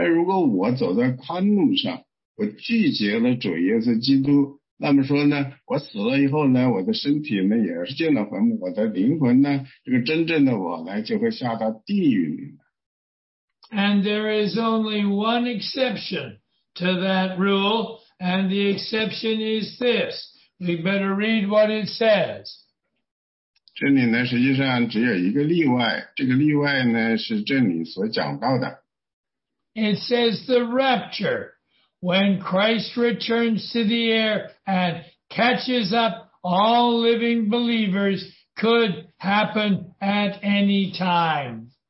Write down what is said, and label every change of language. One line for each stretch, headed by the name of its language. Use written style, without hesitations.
Chinese: 他死了以后，这个身体死了以后呢，那个灵魂，那个就是真正的我，这就是我，就是灵魂。这个灵魂呢，如果我是信了主，信了主呢，然后呢，我就行在这个窄路上。然后这个我死了以后呢，我的身体进了坟墓，我的灵魂呢，就上去了，跟主耶稣基督在一起。但如果我走在宽路上， 我拒绝了主耶稣基督，那么说呢，我死了以后呢，我的身体呢也是进了坟墓，我的灵魂呢，这个真正的我呢就会下到地狱里面。
English: And there is only one exception to that rule, and the exception is this. We better read what it says.
Chinese: 这里呢，实际上只有一个例外，这个例外呢是这里所讲到的。
English: It says the rapture. When Christ returns to the air and catches up all living believers, could happen at any time.